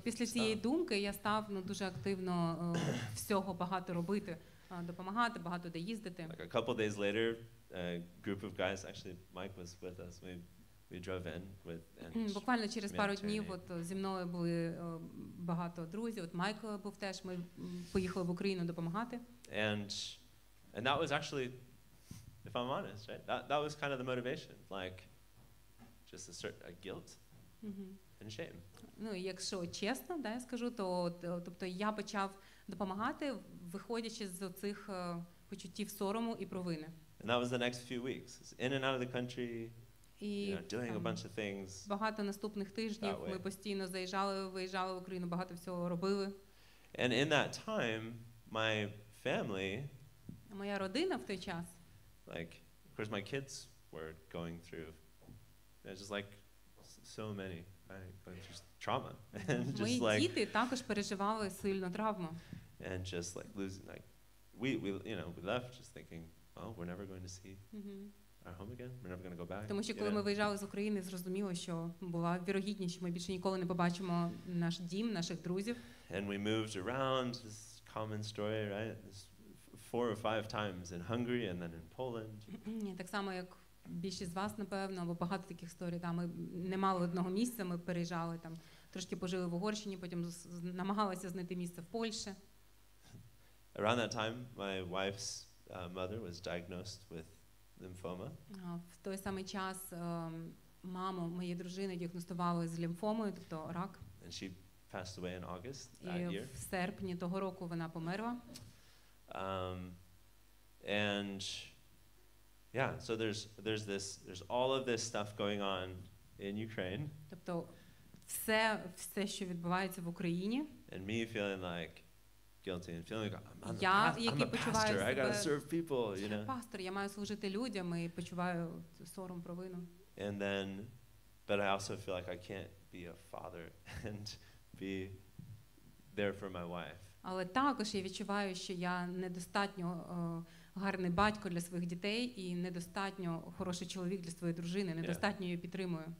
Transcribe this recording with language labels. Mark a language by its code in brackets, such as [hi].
[uk] Після цієї думки я став, ну, дуже активно всього багато робити, допомагати, багато де їздити. [en] Like a couple days later, a group of guys, actually Mike was with us, we drove in with [uk] буквально через пару днів от зі мною були багато друзів, от Майк був теж, ми поїхали в Україну допомагати. [en] And that was actually, if I'm honest, right, that was kind of the motivation, like just a guilt and shame. [uk] Ну, якщо чесно, да, я скажу, то тобто я почав допомагати, виходячи з оцих почуттів сорому і провини. [en] And that was the next few weeks. It's in and out of the country, doing a bunch of things. [uk] Багато наступних тижнів ми постійно заїжджали, виїжджали в Україну, багато всього робили. [en] And in that time, my family, [uk] моя родина в той час, [en] like, of course, my kids were going through, there's just like so many, right? Just trauma. And just [uk] мої [en] like, [uk] діти також переживали сильну травму. [en] And just like losing, like, we you know, we left just thinking, well, we're never going to see our home again. We're never going to go back. [uk] Тому що коли ми виїжджали з України, зрозуміло, що була вірогідність, що ми більше ніколи не побачимо наш дім, наших друзів. [en] And we moved around, this common story, right? This 4 or 5 times in Hungary and then in Poland. [uk] Так само, як більшість з вас, напевно, або багато таких історій, ми не мали одного місця, ми переїжджали там, трошки пожили в Угорщині, потім намагалися знайти місце в Польщі. [en] Around that time, my wife's mother was diagnosed with lymphoma. [uk] В той самий час маму моєї дружини діагностували з лімфомою, тобто рак. [en] And she passed away in August that year. [uk] І в серпні того року вона померла. [en] And yeah, so there's all of this stuff going on in Ukraine. [uk] Тобто все, що відбувається в Україні. [en] And me feeling like guilty and feeling like I'm a pastor, I gotta serve people, you know. [uk] Пастор, я маю служити людям, і почуваю сором, провину. [en] And then, but I also feel like I can't be a father and be there for my wife. [uk] Але також я відчуваю, що я недостатньо гарний батько для своїх дітей і недостатньо хороший чоловік для своєї дружини, недостатньо її підтримую.